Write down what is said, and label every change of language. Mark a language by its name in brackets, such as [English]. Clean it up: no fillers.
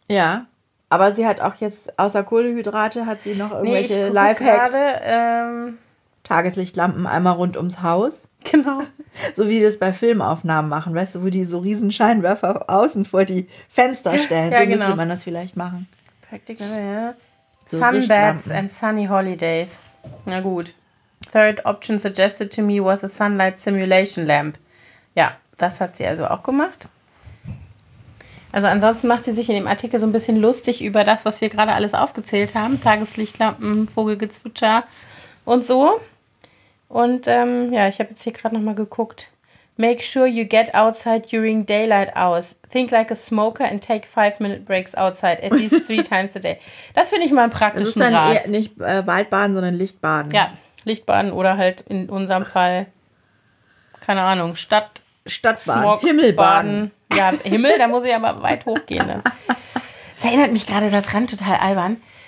[German] Ja, aber sie hat auch jetzt außer Kohlenhydrate hat sie noch irgendwelche Lifehacks. Grade, Tageslichtlampen einmal rund ums Haus. Genau. So wie die das bei Filmaufnahmen machen, weißt du, wo die so riesen Scheinwerfer außen vor die Fenster stellen. Ja, so genau. Müsste man das vielleicht machen. [English] Practical, ja. So Sunbeds and sunny holidays. [German] Na gut. [English] Third option suggested to me was a sunlight simulation lamp. [German] Ja, das hat sie also auch gemacht. Also ansonsten macht sie sich in dem Artikel so ein bisschen lustig über das, was wir gerade alles aufgezählt haben. Tageslichtlampen, Vogelgezwitscher und so. Und ich habe jetzt hier gerade nochmal geguckt. [English] Make sure you get outside during daylight hours. Think like a smoker and take 5-minute breaks outside at least 3 times a day. [German] Das finde ich mal einen praktischen Rat. Das ist dann eher nicht Waldbaden, sondern Lichtbaden. Ja. Lichtbaden oder halt in unserem Fall, keine Ahnung, Stadtbaden, Smog, Himmelbaden. Baden. Ja, Himmel, da muss ich aber weit hochgehen. Ne? Das erinnert mich gerade daran, total albern.